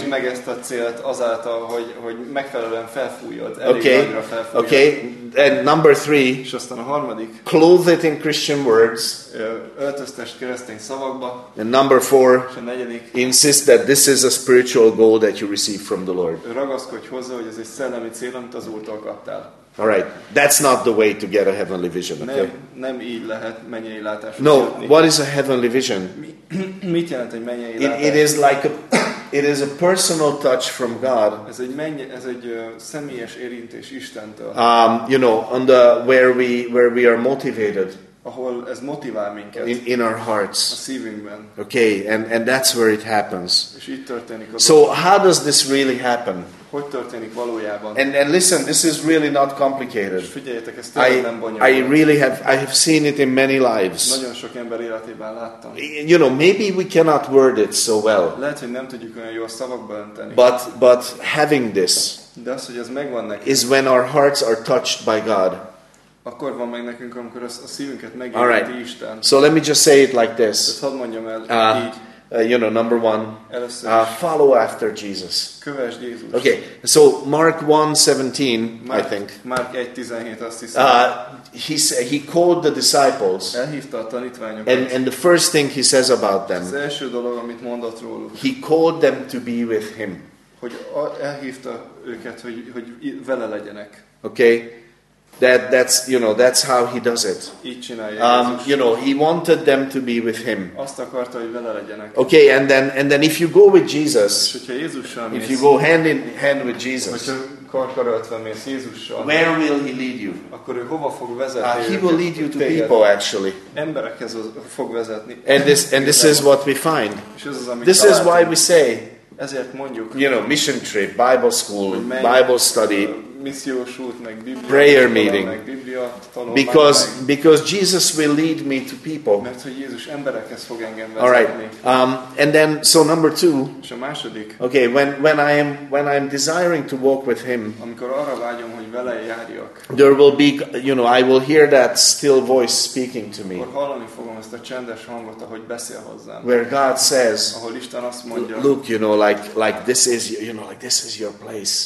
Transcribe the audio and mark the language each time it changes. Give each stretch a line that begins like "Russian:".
Hungarian: Dicsőítsd meg ezt a célt azáltal, hogy megfelelően felfújod, elég
English: okay.
Hungarian: nagyra felfújod.
English: Okay, and number three.
Hungarian: És aztán a harmadik.
English: Clothe it in Christian words.
Hungarian: Öltöztesd keresztény szavakba.
English: And number four.
Hungarian: És a negyedik.
English: Insist that this is a spiritual goal that you receive from the Lord.
Hungarian: Ragaszkodj hozzá, hogy ez egy szellemi cél, amit az Úrtól kaptál.
English: All right, that's not the way to get a heavenly vision. Okay?
Hungarian: Nem így lehet mennyei látást.
English: No, what is a heavenly vision?
Hungarian: Mit jelent egy mennyei látás?
English: It is a personal touch from God.
Hungarian: Ez egy személyes érintés Istentől.
English: You know, on the where we are motivated.
Hungarian: Ahol ez motivál minket.
English: In our hearts.
Hungarian: A szívünkben.
English: Okay, and that's where it happens.
Hungarian: És itt történik.
English: So how does this really happen?
Hungarian: Hogy történik valójában?
English: And listen, this is really not complicated.
Hungarian: Figyeljetek, ez tényleg nem bonyolult.
English: I have seen it in many lives.
Hungarian: Nagyon sok ember életében láttam.
English: You know, maybe we cannot word it so well.
Hungarian: Lehet, hogy nem tudjuk olyan jól szavakba önteni.
English: But having this,
Hungarian: de az, hogy ez megvan nekünk,
English: is when our hearts are touched by God.
Hungarian: Akkor van meg nekünk, amikor a szívünket megérinti Isten.
English: So let me just say it like this.
Hungarian: Ezt hadd mondjam el így.
English: You know, number one, follow after Jesus.
Hungarian: Kövesd Jézust.
English: Okay, so Mark 1:17, I think.
Hungarian: Mark 1:17, azt hiszem.
English: He called the disciples.
Hungarian: Elhívta a tanítványokat.
English: And the first thing he says about them.
Hungarian: Az első dolog, amit mondott róluk.
English: He called them to be with him.
Hungarian: Hogy elhívta őket, hogy vele legyenek.
English: Okay. That's you know, that's how he does it. You know, he wanted them to be with him.
Hungarian: Azt akarta, hogy vele legyenek.
English: Okay, and then if you go with Jesus,
Hungarian: Jézussal,
English: if you go hand in hand with Jesus,
Hungarian: karkarötve mész Jézussal,
English: where will he lead you?
Hungarian: Akkor ő hova fog vezetni?
English: He will lead you to people, actually.
Hungarian: Emberekhez fog vezetni.
English: And this is what we find.
Hungarian: Ez az, amit
English: this
Hungarian: találtunk.
English: Is why we say,
Hungarian: ezért mondjuk,
English: you know, mission trip, Bible school, Bible study,
Hungarian: missziós út, meg Biblia,
English: prayer meeting,
Hungarian: meg Biblia tanulmány,
English: because Jesus will lead me to people.
Hungarian: Mert hogy Jézus emberekhez fog engem vezetni.
English: All right. And then so number two.
Hungarian: És a második.
English: Okay, when I am desiring to walk with him.
Hungarian: Amikor arra vágyom, hogy vele járjak.
English: There will be, you know, I will hear that still voice speaking to me.
Hungarian: Akkor hallani fogom ezt a csendes hangot, ahogy beszél hozzám.
English: Where God says.
Hungarian: Ahol Isten azt mondja.
English: Look, you know, like this is, you know, like this is your place.